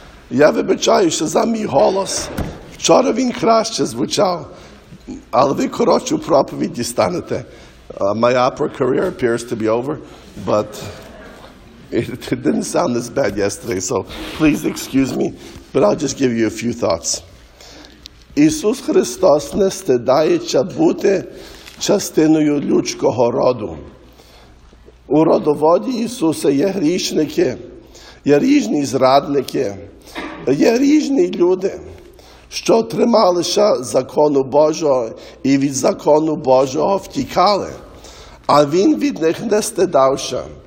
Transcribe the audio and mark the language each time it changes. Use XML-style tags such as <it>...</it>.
<uk>Я вибачаюся за мій голос. Вчора він краще звучав, але ви коротшу проповідь дістанете.</uk> <en>My opera career appears to be over, but it didn't sound as bad yesterday, so please excuse me, but I'll just give you a few thoughts.</en> <uk>Ісус Христос не стидається бути частиною людського роду. У родоводі Ісуса є грішники, є різні зрадники, є різні люди, що трималися закону Божого і від закону Божого втікали, а Він від них не стидався.</uk>